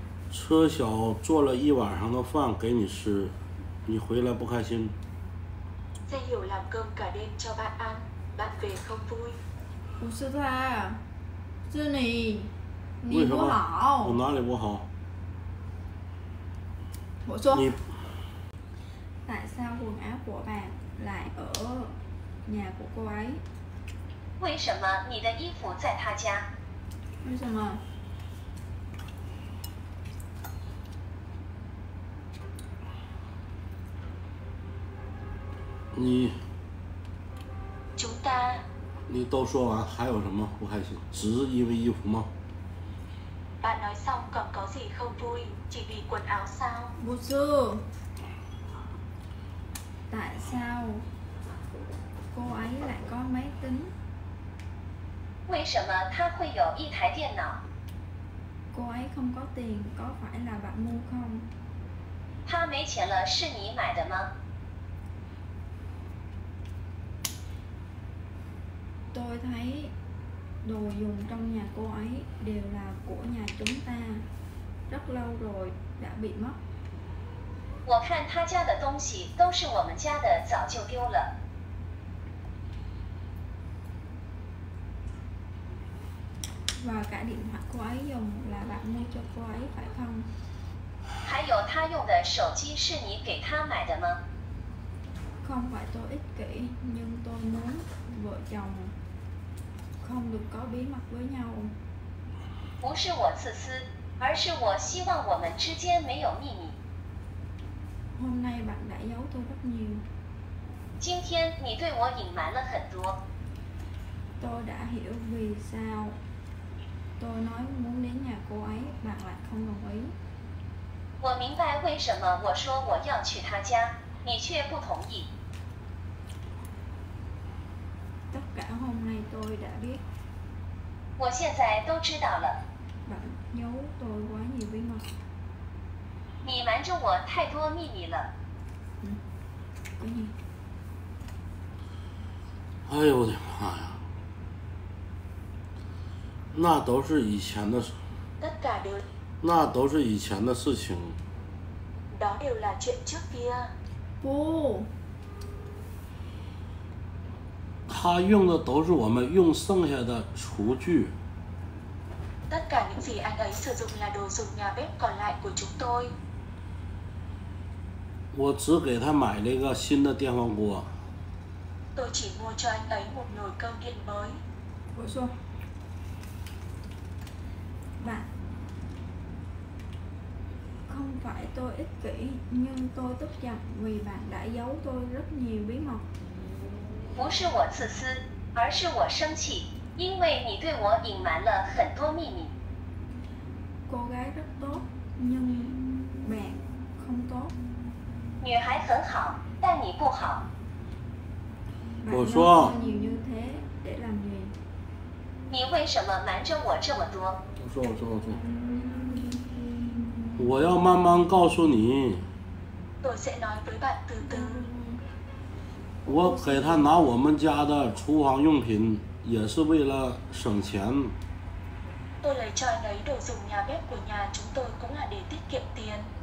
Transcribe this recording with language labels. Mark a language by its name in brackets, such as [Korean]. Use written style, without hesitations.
[Chinese] 车小做了一晚上的饭给你吃，你回来不开心？ [Vietnamese] 车友làm cơm cả đêm cho bạn ăn, bạn về không vui? [Chinese] 不是他，是你，你不好。我哪里不好？我说。你。 [Vietnamese] Tại sao quần áo của bạn lại ở nhà của cô ấy? [Chinese] 为什么你的衣服在他家？为什么？你。中单。你都说完，还有什么不开心？只是因为衣服吗？ [Vietnamese] bạn nói xong còn có gì không vui? chỉ vì quần áo sao? [Chinese] 不是。 [Vietnamese] tại sao cô ấy lại có máy tính? [Chinese] 为什么他会有一台电脑？ [Vietnamese] cô ấy không có tiền, có phải là bạn mua không? [Chinese] 他没钱了，是你买的吗？ [Vietnamese] tôi thấy đồ dùng trong nhà cô ấy đều là của nhà chúng ta, rất lâu rồi đã bị mất. [Chinese] 我看他家的东西都是我们家的，早就丢了。 [Vietnamese] và cả điện thoại cô ấy dùng là bạn mua cho cô ấy phải không? [Chinese] 还有他用的手机是你给他买的吗? [Vietnamese] không phải tôi ích kỷ nhưng tôi muốn vợ chồng không được có bí mật với nhau. [Chinese] 不是我自私，而是我希望我们之间没有秘密。 [Vietnamese] hôm nay bạn đã giấu tôi rất nhiều. [Chinese] 今天你对我隐瞒了很多。 [Vietnamese] tôi đã hiểu vì sao. Tôi nói muốn đến nhà cô ấy, bạn lại không đồng ý. [Chinese] 我明白为什么我说我要去他家，你却不同意。 [Vietnamese] Tất cả hôm nay tôi đã biết. [Chinese] 我现在都知道了。 [Vietnamese] Bạn giấu tôi quá nhiều bí mật. [Chinese] 你瞒着我太多秘密了。嗯，给你。哎呦我的妈呀！那都是以前的事情。 [Vietnamese] đó đều là chuyện trước kia. Bố. [Chinese] 他用的都是我们用剩下的厨具。 [Vietnamese] Tất cả những gì anh ấy sử dụng là đồ dùng nhà bếp còn lại của chúng tôi. [Chinese] 我只给他买了一个新的电饭锅。 [Vietnamese] Tôi chỉ mua cho anh ấy một nồi cơm điện mới. [Chinese] 我说。 [Vietnamese] Bạn. Không phải tôi ích kỷ, nhưng tôi tức giận vì bạn đã giấu tôi rất nhiều bí mật. [Chinese] 不是我自私, 而是我生气, 因为你对我隐瞒了很多秘密。 [Vietnamese] Cô gái rất tốt, nhưng bạn không tốt. [Chinese] 女孩很好, 但你不好。我说, 你为什么瞒着我这么多? 我说。你为什么瞒着我这么多? 我说。我要慢慢告诉你。 [Vietnamese] Tôi sẽ nói với bạn từ từ。 [Chinese] 我给他拿我们家的厨房用品，也是为了省钱。 [Vietnamese] Tôi lấy cho anh ấy đồ dùng nhà bếp của nhà chúng tôi cũng là để tiết kiệm tiền.